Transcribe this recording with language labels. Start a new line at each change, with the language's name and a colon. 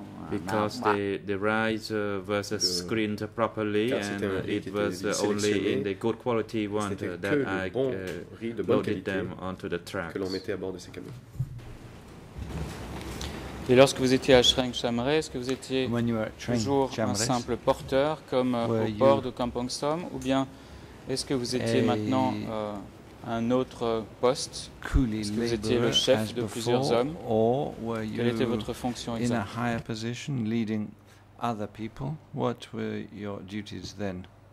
English: Because the rice was screened properly and it was only in the good quality one that I loaded them onto the tracks.
French: Que l'on mettait à bord de ces camions. Et lorsque vous étiez à Chreng Chamre, est-ce que vous étiez toujours un simple porteur comme au port de Kampong Som ou bien est-ce que vous étiez maintenant un autre poste, est-ce que vous étiez le chef de
English: before,
French: plusieurs hommes, quelle était votre fonction exacte?
English: In a higher position, leading other people, what were your duties then?